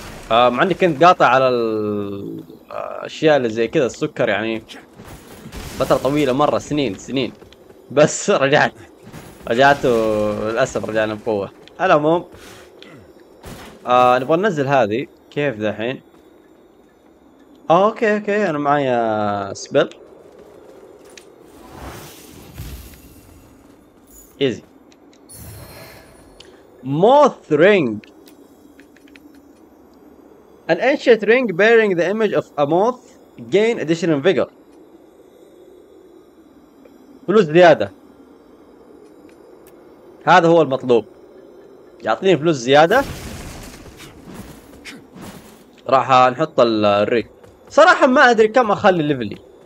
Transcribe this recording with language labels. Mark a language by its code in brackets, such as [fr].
[ar] مع اني كنت قاطع على الاشياء اللي زي كذا، السكر يعني فترة طويلة مرة، سنين سنين، بس رجعت رجعت وللاسف رجعنا بقوة. المهم نبغى ننزل هذه كيف ذا الحين. اوكي اوكي انا معايا [en] Spell easy. Moth ring, an ancient ring bearing the image of a moth gain additional vigor. [ar] فلوس زيادة، هذا هو المطلوب، يعطيني فلوس زيادة. راح نحط الرينج صراحة. ما ادري كم اخلي ليفلي.